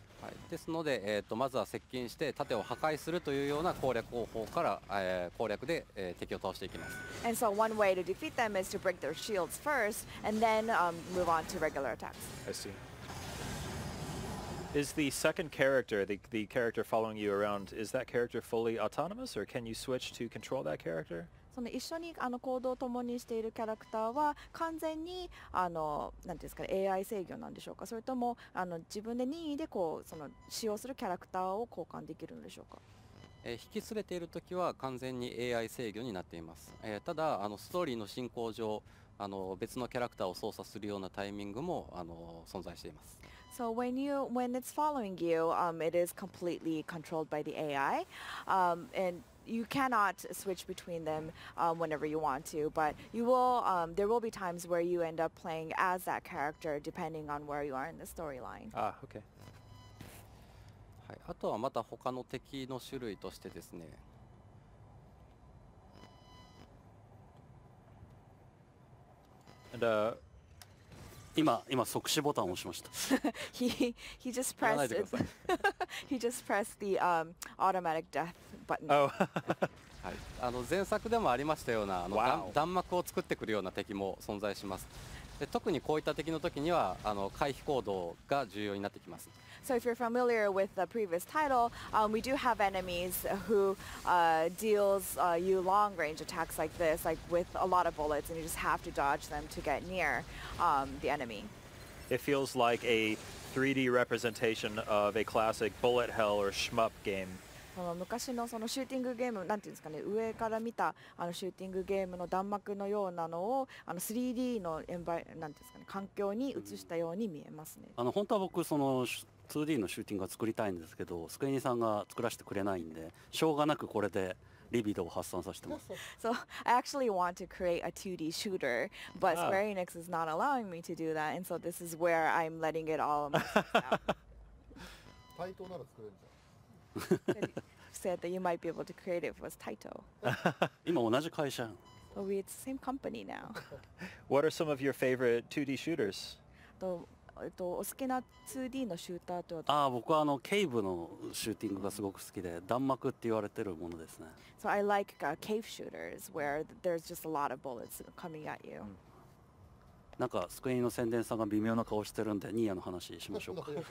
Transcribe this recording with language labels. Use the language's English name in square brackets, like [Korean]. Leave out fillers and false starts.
[Japanese] はい、ですので、まずは接近して盾を破壊するというような攻略方法から、攻略で、敵を倒していきます。 [English] And so one way to defeat them is to break their shields first and then、move on to regular attacks. I seeIs the second character, the character following you around, is that character fully autonomous, or can you switch to control that character? [Japanese] その一緒にあの行動を共にしているキャラクターは完全にあのなんていうんですか、AI 制御なんでしょうか、それともあの自分で任意でこうその使用するキャラクターを交換できるんでしょうか？引き連れているときは完全に AI 制御になっています。ただあのストーリーの進行上、あの別のキャラクターを操作するようなタイミングもあの存在しています。 [English] So when it's following you, it is completely controlled by the AI, and you cannot switch between them whenever you want to. But you will, there will be times where you end up playing as that character, depending on where you are in the storyline. Ah, okay. は [Japanese] はい、あとはまた他の敵の種類としてですね、今即死ボタンを押しました。 [English] he just pressed it. he just pressed the automatic death button. Oh. [Japanese] はい、あの前作でもありましたようなあの、 [English] wow. [Japanese] 弾幕を作ってくるような敵も存在します。で特にこういった敵の時にはあの回避行動が重要になってきます。 [English] So if you're familiar with the previous title, we do have enemies who deals you long range attacks like this, like with a lot of bullets, and you just have to dodge them to get near the enemy. It feels like a 3D representation of a classic bullet hell or shmup game. [Japanese] その昔 の, そのシューティングゲーム、なんていうんですかね、上から見たあのシューティングゲームの弾幕のようなのをあの 3D のエンバイ、なんていうんですかね、環境に映したように見えますね。あの本当は僕その 2D のシューティングが作りたいんですけど、スクエニさんが作らせてくれないんで、しょうがなくこれでリビドを発散させてます。 [English] So I actually want to create a 2D shooter, but Square Enix is not allowing me to do that, and so this is where I'm letting it all out. [Japanese] タイトなら作れるじゃん。 [English] said that you might be able to create it with Taito. [Japanese] 今同じ会社。 [English] But we're the same company now. What are some of your favorite 2D shooters? [Japanese] お好きな 2D のシューターとは。僕はあのケイブのシューティングがすごく好きで、弾幕って言われてるものですね。 [English] So I like cave shooters where there's just a lot of bullets coming at you. [Japanese] なんかスクエニの宣伝さんが微妙な顔してるんで、ニーヤの話しましょうか。